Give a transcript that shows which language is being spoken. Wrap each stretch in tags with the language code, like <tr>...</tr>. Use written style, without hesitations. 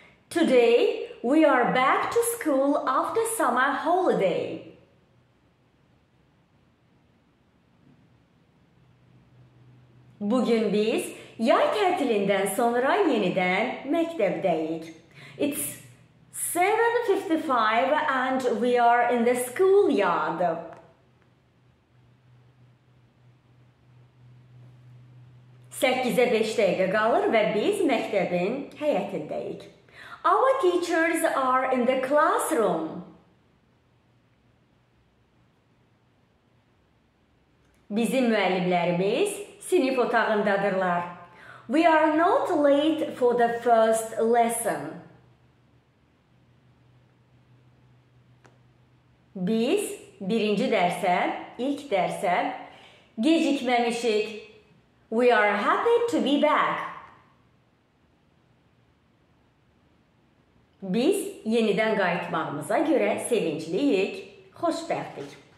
<en>Today we are back to school after summer holiday.</en> <az>Bugün biz yay tətilindən sonra yenidən məktəbdəyik.</az> <en>It's 7:55 and we are in the school yard.</en> <az>Səkkizə beş dəqiqə qalır və biz məktəbin həyətindəyik.</az> <en>Our teachers are in the classroom.</en> <az>Bizim müəllimlərimiz sinif otağındadırlar.</az> <en>We are not late for the first lesson.</en> <az>Biz birinci dərsə, ilk dərsə gecikməmişik.</az> <en>We are happy to be back.</en> <az>Biz yenidən qayıtmağımıza görə sevincliyik, xoşbəxtik.</az>